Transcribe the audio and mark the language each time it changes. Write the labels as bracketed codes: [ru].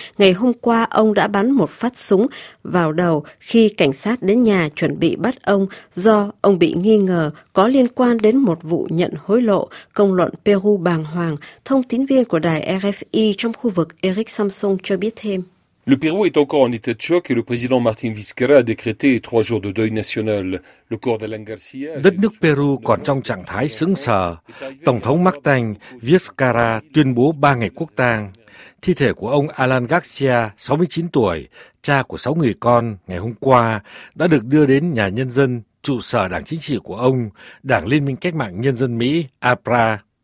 [vi] Ngày hôm qua, ông đã bắn một phát súng vào đầu khi cảnh sát đến nhà chuẩn bị bắt ông do ông bị nghi ngờ có liên quan đến một vụ nhận hối lộ. Công luận Peru bàng hoàng, thông tín viên của đài RFI trong khu vực Eric Samson cho biết thêm. [fr] Le Pérou est encore en état de choc et le président Martin Vizcarra a décrété 3 jours de deuil national. Le corps d'Alan Garcia. [vi] Đất nước Peru còn trong trạng thái sững sờ. Tổng thống Martin Vizcarra tuyên bố 3 ngày quốc tang. Thi thể của ông Alan Garcia, 69 tuổi, cha của 6 người con, ngày hôm qua đã được đưa đến nhà nhân dân, trụ sở đảng chính trị của ông, Đảng Liên minh Cách mạng Nhân dân Mỹ, APRA.